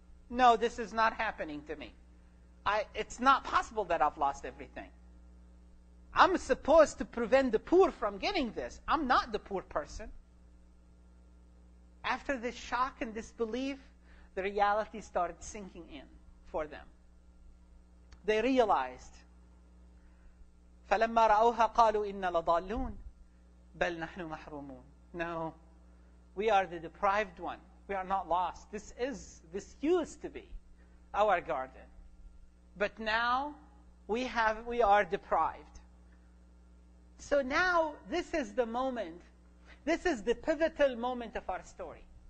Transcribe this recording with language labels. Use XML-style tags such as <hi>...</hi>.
<en>No, this is not happening to me. It's not possible that I've lost everything. I'm supposed to prevent the poor from getting this. I'm not the poor person. After this shock and disbelief, the reality started sinking in for them. They realized,</en> <ar>فَلَمَّا رَأَوْهَا قَالُوا إِنَّا لَضَالُّونَ بَلْ نَحْنُ مَحْرُومُونَ.</ar> <en>No, we are the deprived one. We are not lost. This used to be our garden. But now we are deprived. So now this is the moment. This is the pivotal moment of our story.</en>